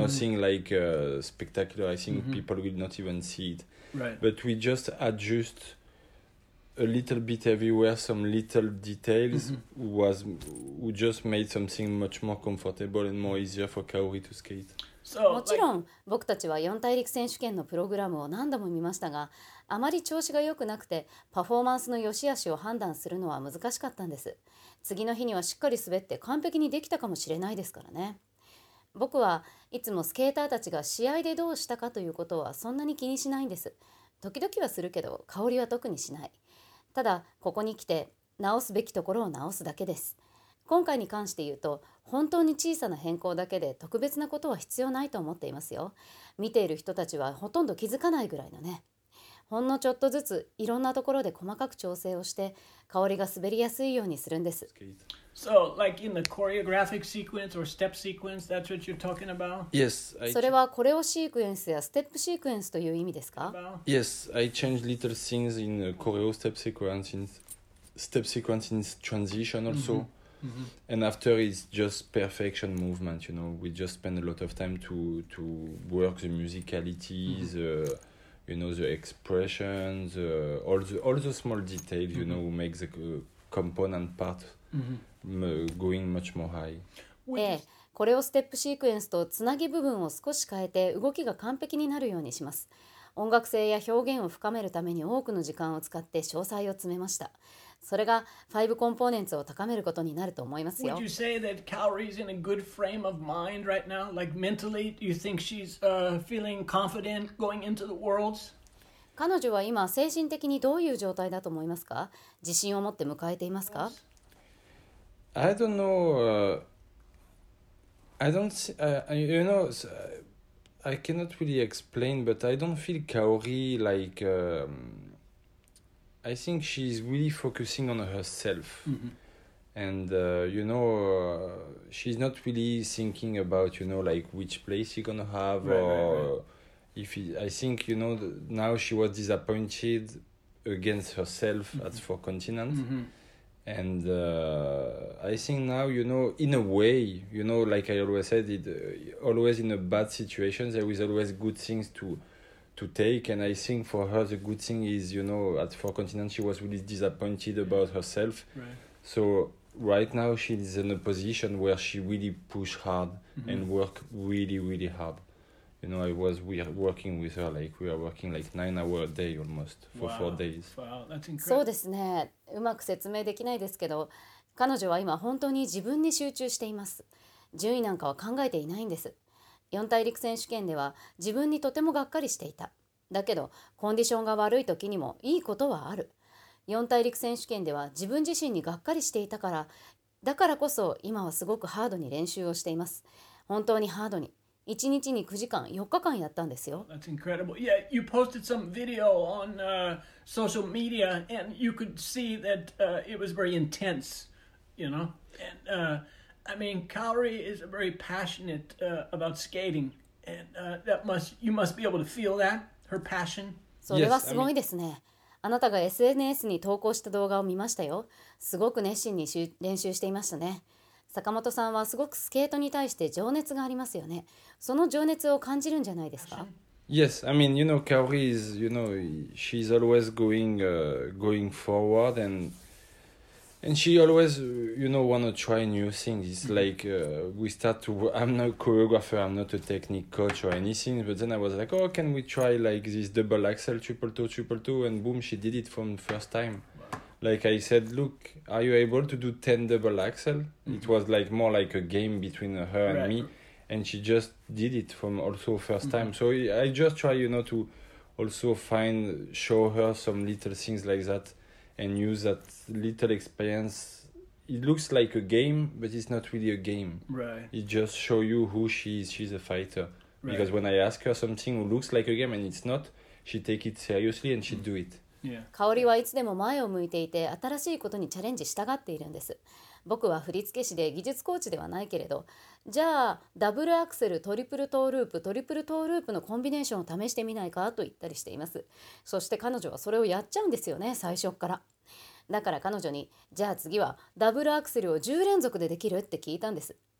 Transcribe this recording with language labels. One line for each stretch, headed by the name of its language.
English: nothing like spectacular. I think mm-hmm. people will not even see it. Right. But we just adjust a little bit everywhere, some little details mm-hmm. who just made something much more comfortable and more easier for Kaori to skate. So,
Japanese: もちろん、僕たちは四大陸選手権のプログラムを何度も見ましたが、あまり調子が良くなくて、パフォーマンスの良し悪しを判断するのは難しかったんです。次の日にはしっかり滑って完璧にできたかもしれないですからね。僕はいつもスケーターたちが試合でどうしたかということはそんなに気にしないんです。時々はするけど、香りは特にしない。ただ、ここに来て直すべきところを直すだけです。今回に関して言うと、本当に小さな変更だけで特別なことは必要ないと思っていますよ。見ている人たちはほとんど気づかないぐらいのね。ほんのちょっとずついろんなところで細かく調整をして、香りが滑りやすいようにするんです。
English: So, like in the choreographic sequence or step sequence, that's what you're talking about? Yes.
Japanese: それはコレオシークエンスやステップシークエンスという意味ですか?
English: Yes, I change little things in the choreo step sequence in transition also. Mm-hmm. Mm-hmm. And after, it's just perfection movement, you know. We just spend a lot of time to work the musicality, mm-hmm. the, you know, the expressions, all the small details, you mm-hmm. know, make the component part. Mm-hmm. Going much more high.
Japanese: ええ、これをステップシークエンスとつなぎ部分を少し変えて動きが完璧になるようにします。音楽性や表現を深めるために多くの時間を使って詳細を詰めました。それが5コンポーネンツを高めることになると思いますよ。
English: Would you say that Kaori is in a good frame of mind right now? Like mentally, do you think she's feeling confident going into the worlds?
Japanese: 彼女は今精神的にどういう状態だと思いますか？自信を持って迎えていますか？
English: I don't know. I don't see. You know, I cannot really explain, but I don't feel Kaori like. I think she's really focusing on herself. Mm-hmm. And, you know, she's not really thinking about, you know, like which place she's gonna have. Right, or right, right. If it, I think, you know, now she was disappointed against herself mm-hmm. at Four Continents. Mm-hmm. And I think now, you know, in a way, you know, like I always said, it always in a bad situation, there is always good things to take. And I think for her, the good thing is, you know, at Four Continents, she was really disappointed about herself. Right. So right now, she is in a position where she really push hard mm-hmm. and work really, really hard. You know, we are working with her, like we are working like 9 hours a day almost for wow. 4 days. Wow, that's incredible.
Japanese: そうですね。うまく説明できないですけど、彼女は今本当に自分に集中しています。順位なんかは考えていないんです。四大陸選手権では自分にとてもがっかりしていた。だけど、コンディションが悪い時にもいいことはある。四大陸選手権では自分自身にがっかりしていたから、だからこそ今はすごくハードに練習をしています。本当にハードに。 1日に9時間、4日間やったんですよ。
English: That's incredible. Yeah, you posted some video on social media and you could see that it was very intense, you know? And I mean, Kaori is very passionate about skating and you must be able to feel that, her passion.
Japanese: それはすごいですね。あなたが SNS に投稿した動画を見ましたよ。すごく熱心に練習していましたね。坂本さんはすごくスケートに対して情熱がありますよね。その情熱を感じるんじゃないですか?
English: Yes, I mean, you know, Kaori is, you know, she's always going forward and she always, you know, want to try new things. It's like, we start to, I'm not a choreographer, I'm not a technique coach or anything, but then I was like, oh, can we try like this double axel, triple toe, triple toe, and boom, she did it from the first time. Like I said, look, are you able to do 10 double axel? Mm-hmm. It was like more like a game between her and right. me. And she just did it from also first time. Mm-hmm. So I just try, you know, to also find, show her some little things like that and use that little experience. It looks like a game, but it's not really a game. Right. It just show you who she is. She's a fighter. Right. Because when I ask her something who looks like a game and it's not, she take it seriously and she mm-hmm. do it. Yeah.
Japanese: 香りはいつでも前を向いていて新しいことにチャレンジしたがっているんです。僕は振付師で技術コーチではないけれど、じゃあダブルアクセル、トリプルトーループ、トリプルトーループのコンビネーションを試してみないかと言ったりしています。そして彼女はそれをやっちゃうんですよね、最初から。だから彼女に、じゃあ次はダブルアクセルを10連続でできるって聞いたんです。